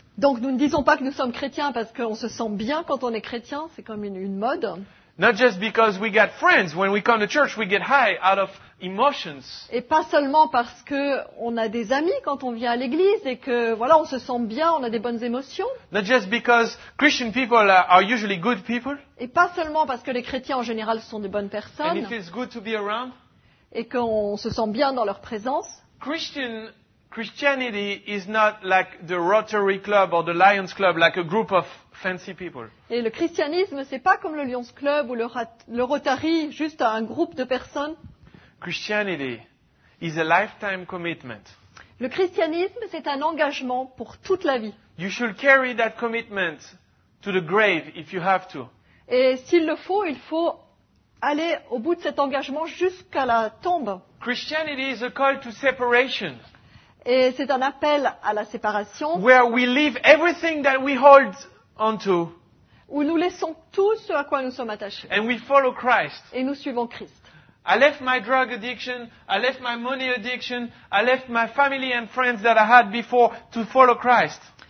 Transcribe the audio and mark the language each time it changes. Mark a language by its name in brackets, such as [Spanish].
[French] Donc nous ne disons pas que nous sommes chrétiens parce qu'on se sent bien quand on est chrétien. C'est comme une mode. [English] Not just because we got friends. When we come to church, we get high out of emotions. [French] Et pas seulement parce que on a des amis quand on vient à l'église et que voilà, on se sent bien, on a des bonnes émotions. [English] Not just because Christian people are usually good people. [French] Et pas seulement parce que les chrétiens en général sont des bonnes personnes. [English] And it feels good to be around. [French] Et qu'on se sent bien dans leur présence. [English] Christianity is not like the Rotary Club or the Lions Club, like a group of fancy people. [French] Et le christianisme, c'est pas comme le Lions Club ou le Rotary, juste un groupe de personnes. [English] Christianity is a lifetime commitment. [French] Le christianisme, c'est un engagement pour toute la vie. [English] You should carry that commitment to the grave if you have to. [French] Et s'il le faut, il faut aller au bout de cet engagement jusqu'à la tombe. [English] Christianity is a call to separation. [French] Et c'est un appel à la séparation. [English] Where we leave everything that we hold onto. [French] Où nous laissons tout ce à quoi nous sommes attachés. [English] And we follow Christ. [French] Et nous suivons Christ. [English] I left my drug addiction, I left my money addiction, I left my family and friends that I had before to follow Christ.